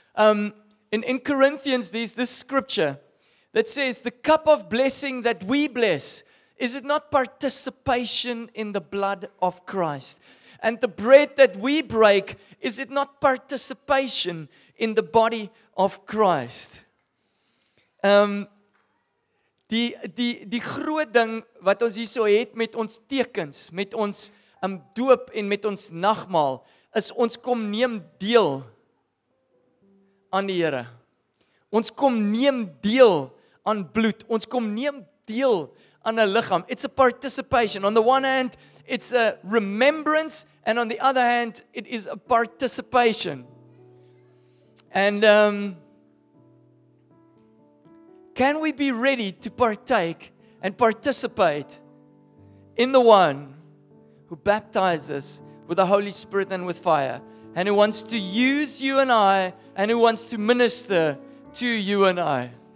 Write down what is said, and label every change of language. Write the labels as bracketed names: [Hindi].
[English] In Corinthians, there's this scripture that says, the cup of blessing that we bless, is it not participation in the blood of Christ? And the bread that we break, is it not participation in the body of Christ? [Afrikaans] Die groot ding wat ons hierso het met ons tekens, met ons doop en met ons nagmaal, is ons kom neem deel aan die Here. Ons kom neem deel aan bloed. Ons kom neem deel aan 'n liggaam. [English] It's a participation. On the one hand, it's a remembrance, and on the other hand, it is a participation. And can we be ready to partake and participate in the one who baptizes with the Holy Spirit and with fire, and who wants to use you and I, and who wants to minister to you and I?